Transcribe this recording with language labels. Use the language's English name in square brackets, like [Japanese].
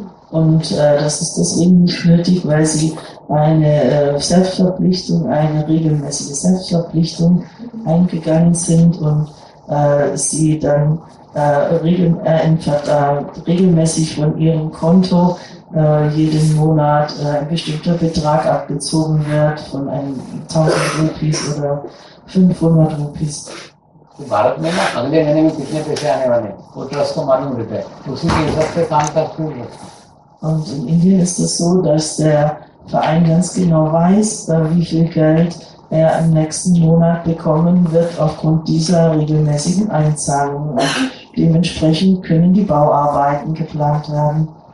[German] Und das ist deswegen nicht nötig, weil sie eine Selbstverpflichtung, eine regelmäßige Selbstverpflichtung eingegangen sind und sie dann regelmäßig von ihrem Konto jeden Monat ein bestimmter Betrag abgezogen wird von einem 1000 Rupies oder 500 Rupies. [Hindi] कि भारत में ना अगले महीने में कितने पैसे आने वाले वो ट्रस्ट को मालूम रहता है, उसी के हिसाब से काम का शुरू करते हैं. [German] Und in Indien ist es so, dass der Verein ganz genau weiß, wie viel Geld er im nächsten Monat bekommen wird aufgrund dieser regelmäßigen Einzahlungen. Und dementsprechend können die Bauarbeiten geplant werden.